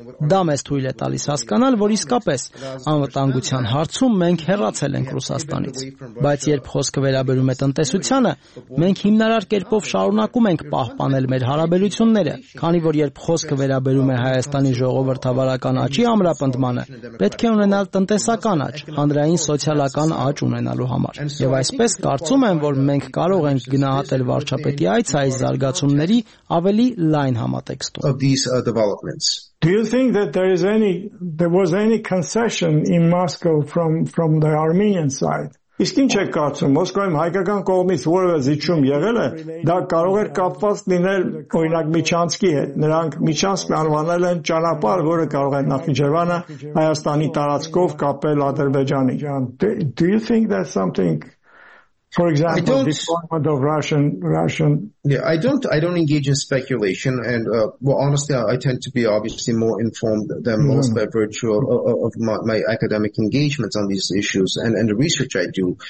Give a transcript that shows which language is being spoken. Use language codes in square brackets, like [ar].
[hy] Դա մեզ թույլ է տալիս հասկանալ, որ իսկապես անվտանգության հարցում մենք հեռացել ենք Ռուսաստանից։ Բայց երբ խոսքը վերաբերում է տնտեսությանը, մենք հիմնարար կերպով շարունակում ենք պահպանել մեր հարաբերությունները, քանի որ երբ խոսքը վերաբերում է Հայաստանի ժողովրդավարական աճի ամրապնդմանը, պետք է ունենալ տնտեսական աճ, հանրային սոցիալական աճ ունենալու համար։ Եվ այսպես կարծում եմ, որ մենք կարող ենք գնահատել վարչապետի այս զարգացումների ավելի լայն համատեքստում։ [en] Do you think that there was any concession in Moscow from the Armenian side? [hy] Իսկ ինչ եք կարծում, Մոսկվայում հայկական կողմից որևէ զիջում եղել է, դա կարող էր կապված լինել օրինակ Միջանցկի հետ, նրանք Միջանցկը անվանել են ճանապարհ, որը կարող է Նախիջևանը Հայաստանի տարածքով կապել Ադրբեջանի։ [en] Do you think that something, for example, disbandment of Russian? Yeah, I don't engage in speculation, and honestly, I tend to be obviously more informed than most by virtue of my academic engagements on these issues and the research I do.